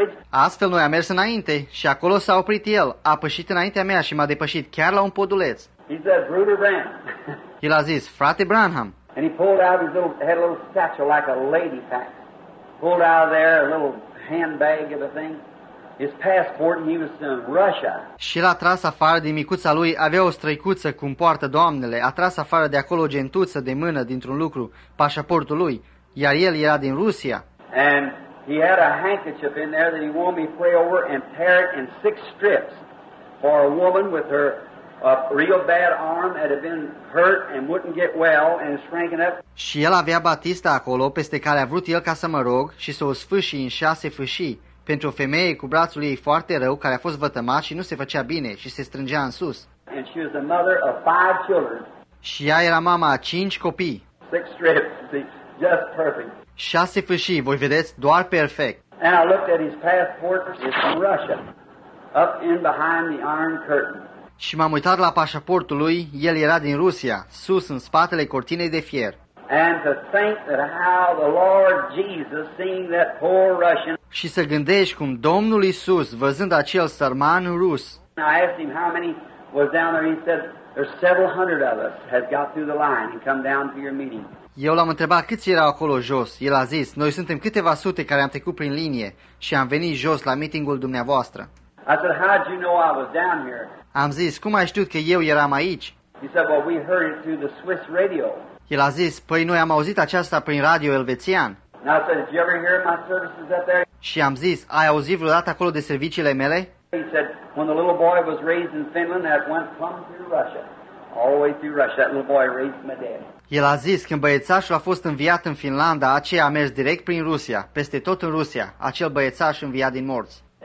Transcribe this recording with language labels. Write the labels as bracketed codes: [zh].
[ro] Astfel noi am mers înainte și acolo s-a oprit el, a pășit înaintea mea și m-a depășit chiar la un poduleț. [en] He said, "Brother Branham." [ro] El a zis, frate Branham. [en] And he pulled out his little, had a little satchel like a lady pack. Pulled out of there a little handbag of a thing. His passport, and he was in Russia. [ro] Și l-a tras afară din micuța lui, avea o străicuță cum poartă doamnele, a tras afară de acolo o gentuță de mână dintr-un lucru, pașaportul lui, iar el era din Rusia. [en] And he had a handkerchief in there that he wanted me to pray over and tear it in 6 strips for a woman with her real bad arm that had been hurt and wouldn't get well and shrinking up. [ro] Și el avea batista acolo peste care a vrut el ca să mă rog și să o sfâșii în 6 fâșii pentru o femeie cu brațul ei foarte rău care a fost vătămat și nu se făcea bine și se strângea în sus. [en] And she was the mother of 5 children. [ro] Și ea era mama a 5 copii. [en] 6 strips, see, just perfect. [ro] 6 fâșii, voi vedeți, doar perfect. [en] And I looked at his passport, it's from Russia, up in behind the iron curtain. [ro] Și m-am uitat la pașaportul lui, el era din Rusia, sus în spatele cortinei de fier. [en] And to think that how the Lord Jesus, seeing that poor Russian. [ro] Și să gândești cum Domnul Iisus, văzând acel sărman rus. [en] I asked him how many was down there, he said, there's several hundred of us has got through the line and come down to your meeting. [ro] Eu l-am întrebat câți erau acolo jos. El a zis, noi suntem câteva sute care am trecut prin linie și am venit jos la meetingul dumneavoastră. [en] I said, how'd you know I was down here? [ro] Am zis, cum ai știut că eu eram aici? [en] He said, well, we heard it through the Swiss radio. [ro] El a zis, păi noi am auzit aceasta prin radio elvețian. [en] I said, did you ever hear my services up there? [ro] Și am zis, ai auzit vreodată acolo de serviciile mele? [en] He said, when the little boy was raised in Finland, that went from through Russia. All the way through Russia, that little boy raised my dad. [ro] El a zis, când băiețașul a fost înviat în Finlanda, aceea a mers direct prin Rusia, peste tot în Rusia, acel băiețaș înviat din morți.